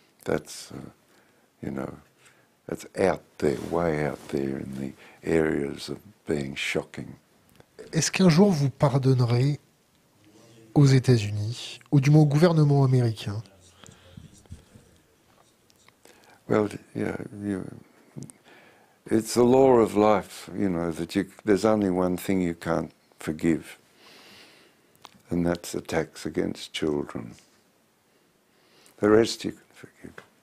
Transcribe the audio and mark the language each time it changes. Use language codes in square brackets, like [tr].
[en] That's out there, way out there in the areas of being shocking. [fr] Est-ce qu'un jour vous pardonnerez aux États-Unis, ou du moins au gouvernement américain? [en] Well, yeah, it's the law of life, you know, that there's only one thing you can't forgive. And that's attacks against children. The rest you can forgive.